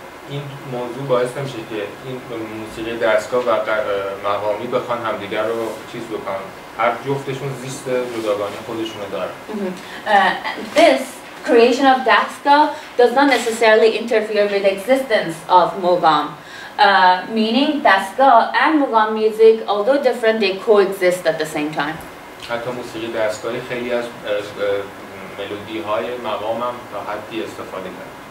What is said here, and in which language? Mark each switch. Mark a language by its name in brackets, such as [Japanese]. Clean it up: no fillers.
[Persian] این موضوع باعث میشه که این موسیقی دستگاه و مقامی بخوان همدیگر رو چیز بکنن. هر جفتشون زیست جداگانه خودشونو داره. [English] This creation of dastgah does not necessarily interfere with the existence of mugam. Meaning, dastgah and mugam music, although different, they coexist at the same time. [Persian] حتی موسیقی دستگاهی خیلی از ملودی های مقام هم تا حدی استفاده کرد.